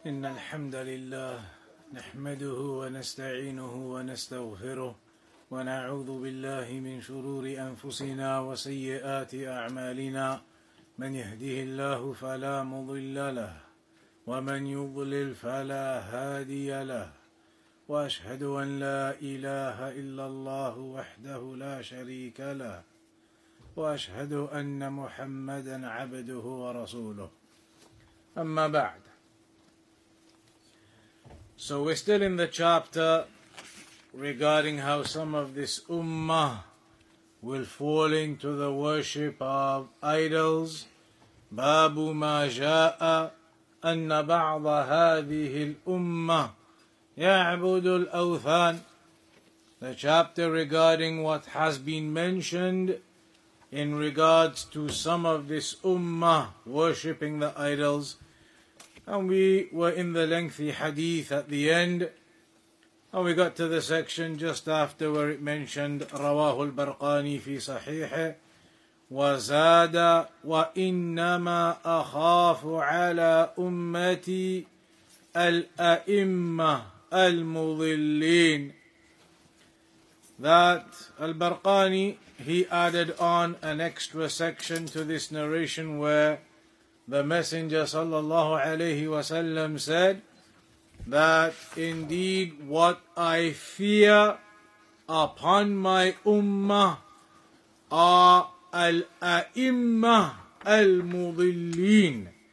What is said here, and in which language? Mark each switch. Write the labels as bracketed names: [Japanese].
[Arabic] إن الحمد لله نحمده ونستعينه ونستغفره ونعوذ بالله من شرور أنفسنا وسيئات أعمالنا من يهده الله فلا مضل له ومن يضلل فلا هادي له وأشهد أن لا إله إلا الله وحده لا شريك له وأشهد أن محمدا عبده ورسوله أما بعد. [English] So we're still in the chapter regarding how some of this ummah will fall into the worship of idols. [Arabic] Babu ma jaa anna ba'da hadhihi al-ummah ya'budu al-awthan. [English] The chapter regarding what has been mentioned in regards to some of this ummah worshipping the idols. And we were in the lengthy hadith at the end. And we got to the section just after where it mentioned [Arabic] رواه البرقاني في صحيحه وزاد وإنما أخاف على أمتي الأئمة المضلين. [English] That البرقاني, he added on an extra section to this narration where the Messenger [Arabic] sallallahu alayhi wa sallam [English] said that indeed what I fear upon my ummah are [Arabic] al-a'immah al-mudillin,